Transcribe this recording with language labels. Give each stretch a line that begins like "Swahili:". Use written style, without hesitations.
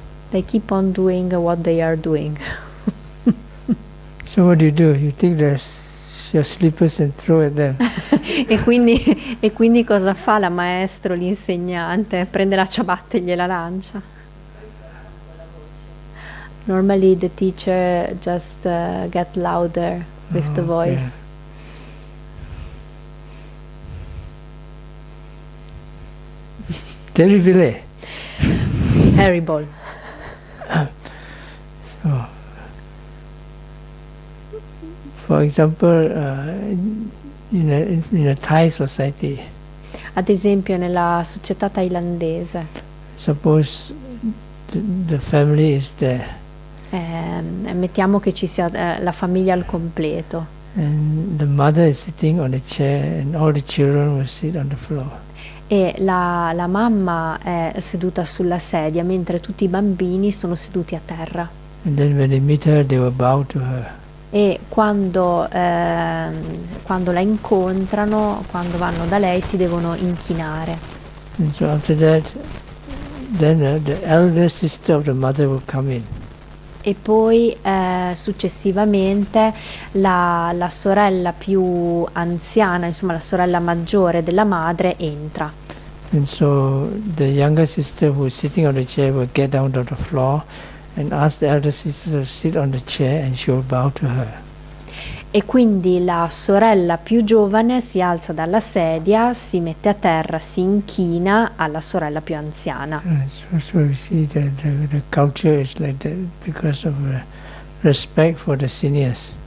English: they keep on doing what they are doing. So what do? You take the your slippers and throw at them.
Italian: e quindi cosa fa la maestro, l'insegnante? Prende la ciabatta e gliela lancia.
English: Normally the teacher just get louder with the voice. Yeah. Terrible. Terrible. So, for example, in a Thai society.
Italian: Ad esempio nella società thailandese.
English: Suppose the family is there.
Italian: Mettiamo che ci sia la famiglia al completo.
English: And the mother is sitting on a chair, and all the children will sit on the floor.
Italian: E la mamma è seduta sulla sedia mentre tutti i bambini sono seduti a terra.
English: And then when they meet her, they will bow to her.
Italian: E quando la incontrano, quando vanno da lei, si devono inchinare.
English: And so after that, then the elder sister of the mother will come in.
Italian: E poi successivamente la sorella più anziana, insomma la sorella maggiore della madre, entra.
English: And so the younger sister who is sitting on the chair will get down to the floor and ask the elder sister to sit on the chair and she will bow to her.
Italian: E quindi la sorella più giovane si alza dalla sedia, si mette a terra, si inchina alla sorella più anziana.
English: So you see that the culture is like that because of respect for the seniors.